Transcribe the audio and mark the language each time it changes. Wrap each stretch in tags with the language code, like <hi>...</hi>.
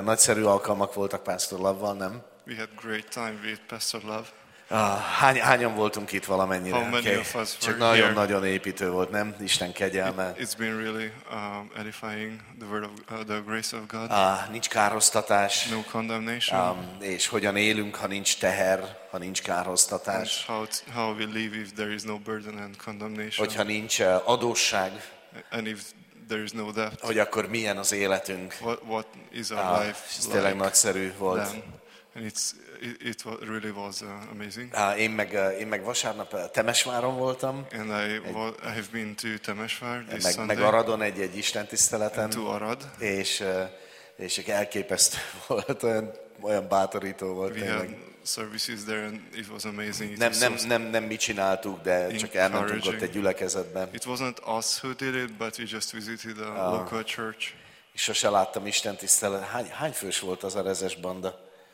<hu>Nagyszerű alkalmak voltak Pastor Love-val, nem?</hu> <en>We had great time with Pastor Love.</en> <hu>Hányan voltunk itt valamennyire?</hu> <en>How many of us were</en> <hu>Csak nagyon</hu> <en>here?</en> <hu>Nagyon építő volt, nem? Isten kegyelme.</hu> <en>It's been really edifying the word of the grace of God.</en> <hu>Nincs károsztatás.</hu> <en>No condemnation.</en> <hu>És hogyan élünk, ha nincs teher, ha nincs károsztatás?</hu> <en>And how we live if there is no burden and condemnation?</en> <hu>Hogyha nincs adósság.</hu> <en>And if there is no debt.</en> <hu>Hogy akkor milyen az életünk?</hu> <en>What is our life like?</en> <hu>Ez tényleg nagyszerű volt.</hu> <en>Then. And it really was amazing.</en> <hu>Én meg vasárnap Temesváron voltam.</hu> <en>And I have been to Temesvár this</en> <hu>meg,</hu> <en>Sunday.</en> <hu>Meg Aradon egy istentiszteleten.</hu> <en>To Arad.</en> <hu>És elképesztő volt, olyan bátorító volt.</hu> <en>We had services there and it was amazing.</en> <hu>Nem mi csináltuk, de csak elmentünk ott egy gyülekezetbe.</hu> <en>It wasn't us who did it, but we just visited a local church.</en> <hu>És sose láttam istentisztelet. Hány fős volt az a rezes banda?</hu>